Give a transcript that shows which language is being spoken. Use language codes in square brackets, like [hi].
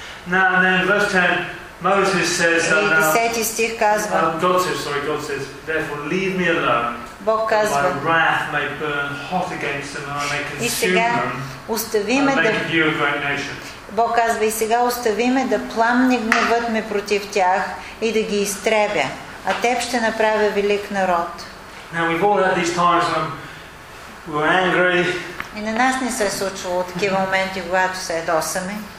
[en] Now and then, verse 10, Moses says that God says, therefore leave me alone, [bg] Бог казва, [en] that my wrath may burn hot against them and I may consume them and make you a great nation. [bg] Бог казва, и сега остави ме да пламне гневът ме против тях и да ги изтребя, а теб ще направя велик народ. [en] Now we've all had these times when we're angry. [bg] И на нас не се е случвало такива моменти, когато се ядосаме.